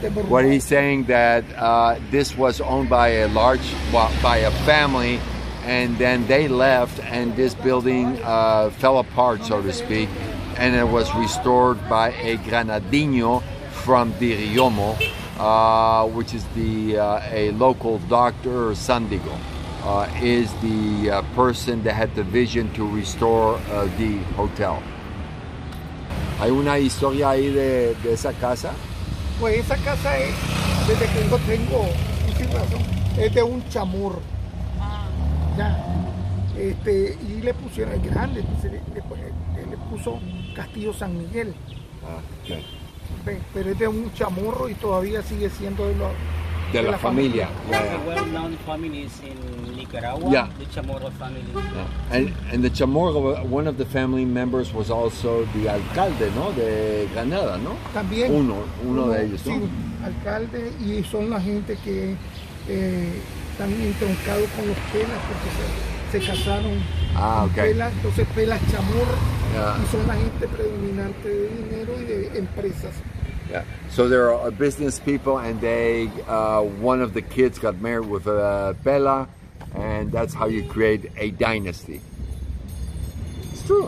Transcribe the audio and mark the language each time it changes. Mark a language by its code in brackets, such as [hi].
[en] What he's saying that this was owned by a large, by a family, and then they left, and this building fell apart, so to speak, and it was restored by a granadino from Diriomo, which is the a local doctor, Sandigo. Is the person that had the vision to restore the hotel. [es] ¿Hay una historia ahí de esa casa? Pues esa casa es, desde que yo tengo, es de un chamorro. Ya. Este, y le pusieron, es grande, después le puso Castillo San Miguel. [en] Ah, okay. [es] Pero es de un chamorro y todavía sigue siendo De la familia. [en] Yeah. The well-known families in Nicaragua. Yeah. The Chamorro family. Yeah. And the Chamorro, one of the family members was also the alcalde, no? [es] De Granada, no? También. Uno de ellos. Sí, ¿no? Alcalde, y son la gente que están entroncados con los Pelas porque se casaron. [en] Ah, okay. [es] Pelas, entonces Pelas Chamorro. [en] Yeah. [es] Y son la gente predominante de dinero y de empresas. [en] Yeah, so there are business people, and they, one of the kids got married with a Bella, and that's how you create a dynasty. It's true.